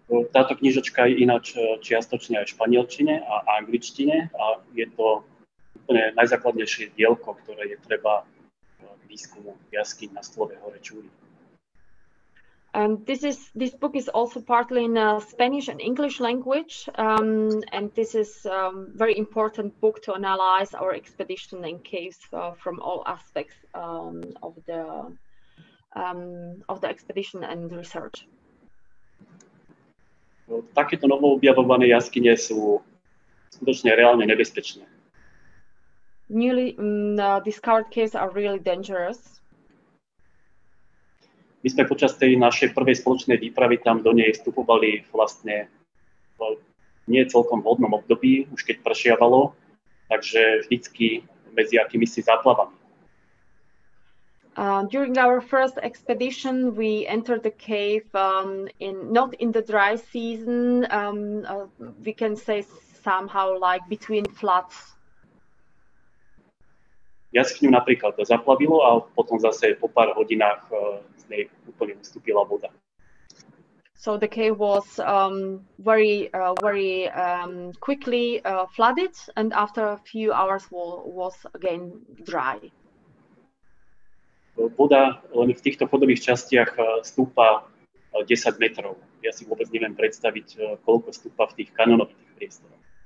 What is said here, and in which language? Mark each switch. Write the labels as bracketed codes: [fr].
[sk] Táto knižočka je ináč čiastočne aj v španielčine a angličtine a je to úplne najzákladnejšie dielko, ktoré je treba k výskumu jaskyň na Stolovej hore Čúri. [en] This book is also partly in Spanish and English language, and this is very important book to analyze our expedition and caves from all aspects of the expedition and research. [sk] Takéto novo objavované jaskyne sú skutočne reálne nebezpečné. [en] Newly discovered caves are really dangerous. [sk] My sme počas tej našej prvej spoločnej výpravy tam do nej vstupovali vlastne v nie celkom vhodnom období, už keď pršiavalo, takže vždycky medzi akýmisi záplavami. [en] During our first expedition, we entered the cave not in the dry season. We can say somehow like between floods. [sk] Jaskyňu napríklad to zaplavilo a potom zase po pár hodinách z nej úplne ustúpila voda. [en] So the cave was very quickly flooded, and after a few hours was again dry. [sk] Voda len v týchto podobných častiach stúpa 10 metrov. Ja si vôbec neviem predstaviť, koľko stúpa v tých kanonových priestoroch.